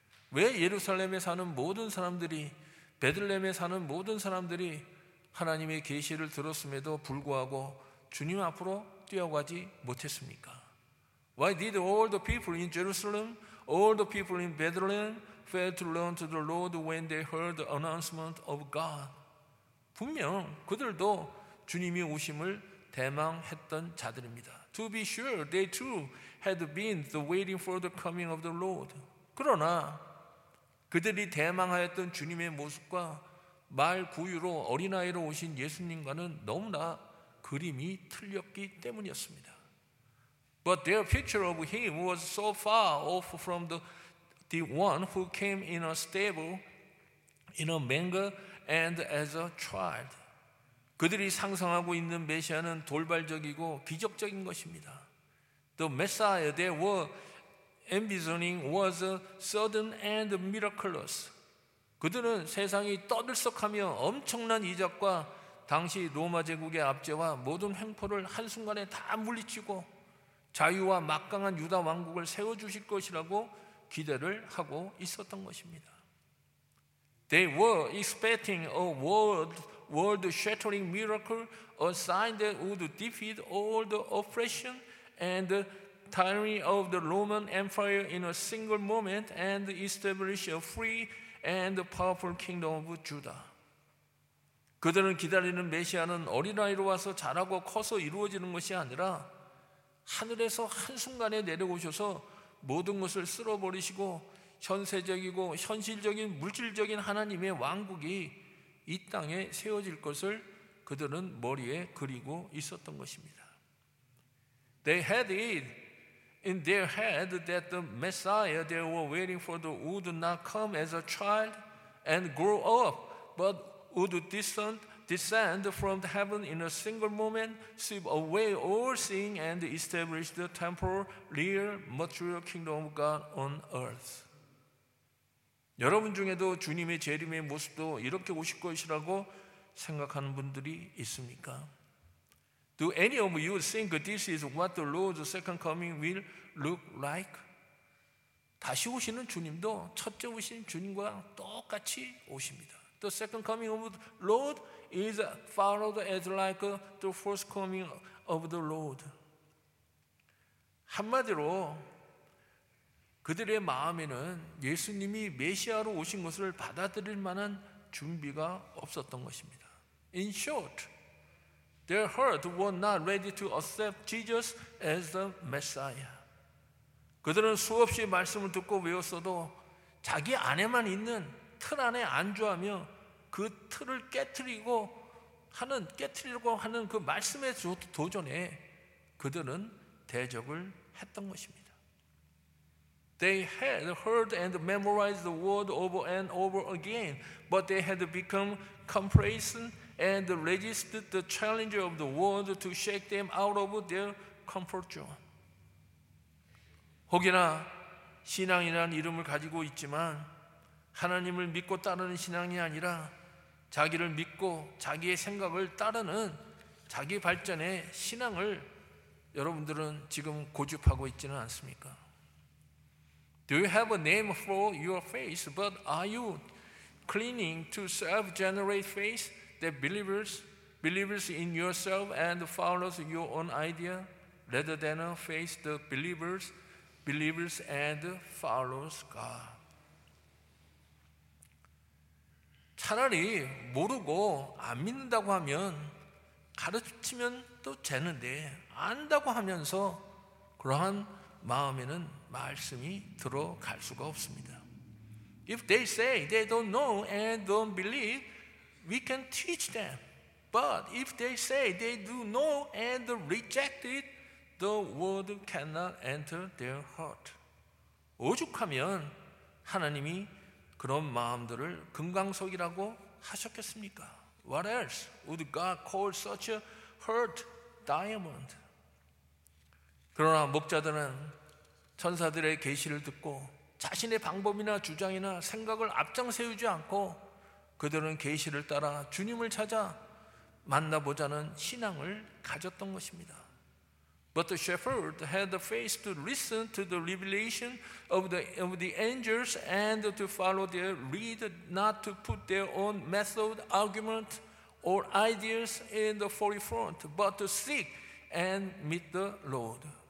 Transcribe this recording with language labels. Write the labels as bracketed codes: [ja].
[ko] 왜 예루살렘에 사는 모든 사람들이, 베들레헴에 사는 모든 사람들이 하나님의 계시를 들었음에도 불구하고 주님 앞으로 뛰어가지 못했습니까? [en] Why did all the people in Jerusalem, all the people in Bethlehem fail to run to the Lord when they heard the announcement of God? [ko] 분명 그들도 주님이 오심을 대망했던 자들입니다. [en] To be sure, they too had been waiting for the coming of the Lord. [ko] 그러나 그들이 대망하였던 주님의 모습과 말 구유로 어린아이로 오신 예수님과는 너무나 그림이 틀렸기 때문이었습니다. [en] But their picture of him was so far off from the the one who came in a stable, in a manger, and as a child. [ko] 그들이 상상하고 있는 메시아는 돌발적이고 기적적인 것입니다. [en] The Messiah they were envisioning was sudden and miraculous. [ko] 그들은 세상이 떠들썩하며 엄청난 이적과 당시 로마 제국의 압제와 모든 횡포를 한순간에 다 물리치고 자유와 막강한 유다 왕국을 세워주실 것이라고 기대를 하고 있었던 것입니다. [en] They were expecting a world-shattering miracle, a sign that would defeat all the oppression and the tyranny of the Roman Empire in a single moment and establish a free and powerful kingdom of Judah. [ko] 그들은 기다리는 메시아는 어린아이로 와서 자라고 커서 이루어지는 것이 아니라 하늘에서 한순간에 내려오셔서 모든 것을 쓸어버리시고 현세적이고 현실적인 물질적인 하나님의 왕국이 이 땅에 세워질 것을 그들은 머리에 그리고 있었던 것입니다. [en] They had it in their head that the Messiah they were waiting for would not come as a child and grow up, but would descend from the heaven in a single moment, sweep away all sin, and establish the temporal, real, material kingdom of God on earth. [ko] 여러분 중에도 주님의 재림의 모습도 이렇게 오실 것이라고 생각하는 분들이 있습니까? [en] Do any of you think this is what the Lord's second coming will look like? [ko] 다시 오시는 주님도 첫째 오신 주님과 똑같이 오십니다. [en] The second coming of the Lord is followed as like the first coming of the Lord. [ko] 한마디로 그들의 마음에는 예수님이 메시아로 오신 것을 받아들일 만한 준비가 없었던 것입니다. [en] In short, their heart was not ready to accept Jesus as the Messiah. [ko] 그들은 수없이 말씀을 듣고 외웠어도 자기 안에만 있는 틀 안에 안주하며 그 틀을 깨트리려고 하는 그 말씀의 도전에 그들은 대적을 했던 것입니다. [en] They had heard and memorized the word over and over again, but they had become complacent and resisted the challenge of the word to shake them out of their comfort zone. [ko] 혹이나 신앙이라는 이름을 가지고 있지만 하나님을 믿고 따르는 신앙이 아니라 자기를 믿고 자기의 생각을 따르는 자기 발전의 신앙을 여러분들은 지금 고집하고 있지는 않습니까? [en] Do you have a name for your faith, but are you clinging to self-generate faith that believes in yourself and follows your own idea rather than a faith that believes and follows God? [ko] 차라리 모르고 안 믿는다고 하면 가르치면 또 재는데 안다고 하면서 그러한 마음에는 말씀이 들어갈 수가 없습니다. [en] If they say they don't know and don't believe, we can teach them. But if they say they do know and reject it, the word cannot enter their heart. [ko] 오죽하면 하나님이 그런 마음들을 금강석이라고 하셨겠습니까? [en] What else would God call such a heart diamond? [ko] 그러나 목자들은 천사들의 계시를 듣고 자신의 방법이나 주장이나 생각을 앞장세우지 않고 그들은 계시를 따라 주님을 찾아 만나보자는 신앙을 가졌던 것입니다. [en] But the shepherd had the faith to listen to the revelation of the angels and to follow their lead, not to put their own method, argument, or ideas in the forefront, but to seek and meet the Lord.